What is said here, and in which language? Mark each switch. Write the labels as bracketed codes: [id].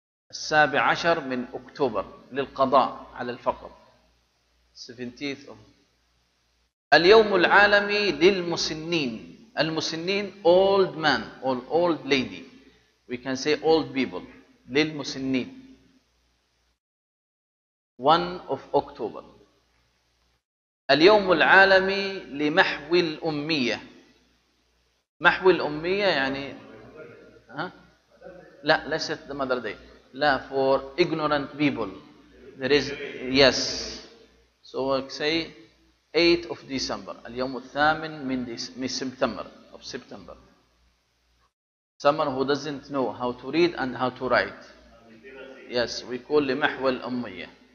[ar] 17 من أكتوبر للقضاء على الفقر. [en] 17th of [ar] اليوم العالمي للمسنين. المسنين [en] old man or old lady. We can say old people. [ar] للمسنين. [en] 1 of October. [ar] اليوم العالمي لمحو الأمية. محو الأمية يعني ها؟ لا ليست [en] the mother day. [ar] لا [en] for ignorant people. There is yes. So we say 8 of December. [ar] اليوم الثامن من سبتمبر. [en] Of September. Someone who doesn't know how to read and how to write. Yes, we call [ar] لمحو الأمية.